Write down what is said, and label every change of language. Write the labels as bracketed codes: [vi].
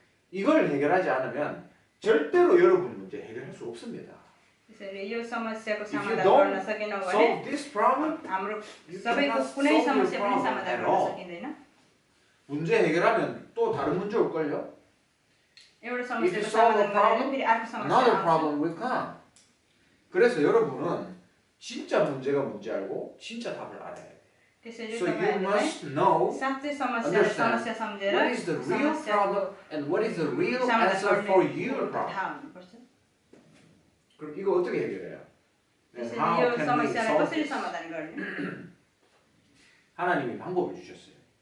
[ko] 이걸 해결하지 않으면 절대로 여러분 문제 해결할 수 없습니다. [en] If you don't solve this problem, you cannot solve the problem at all. [ko] 문제 해결하면 또 다른 문제 올 걸요. [en] If you solve a problem, another problem will come. [ko] 그래서 여러분은 진짜 문제가 뭔지 알고 진짜 답을 알아야 돼. [en] So you must know, understand what is the real problem and what is the real answer for your problem. [ko] 그럼 이거 어떻게 해결해요? [en] And how can we solve this? [ko] 하나님이 방법을 주셨어요.